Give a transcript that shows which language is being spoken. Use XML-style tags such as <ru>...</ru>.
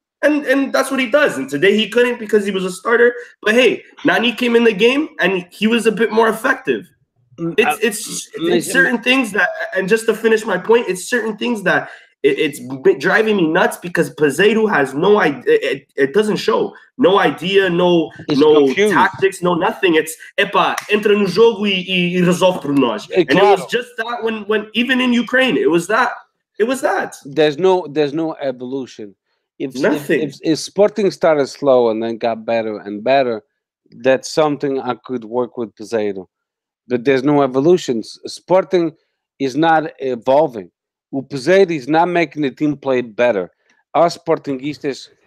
<en>And that's what he does. And today he couldn't because he was a starter. But hey, Nani came in the game and he was a bit more effective. It's certain things that, and just to finish my point, it's certain things that it's driving me nuts, because Peseiro has no idea. It doesn't show. No idea, no confused. Tactics, no nothing.</en> <pt>It's, epa, entra no jogo e resolve por nós.</pt> <en>And it was just that when even in Ukraine, it was that. There's no evolution. If Sporting started slow and then got better and better, that's something I could work with Peseiro. But there's no evolution. Sporting is not evolving. O Peseiro is not making the team play better. Our Sportingistas</en>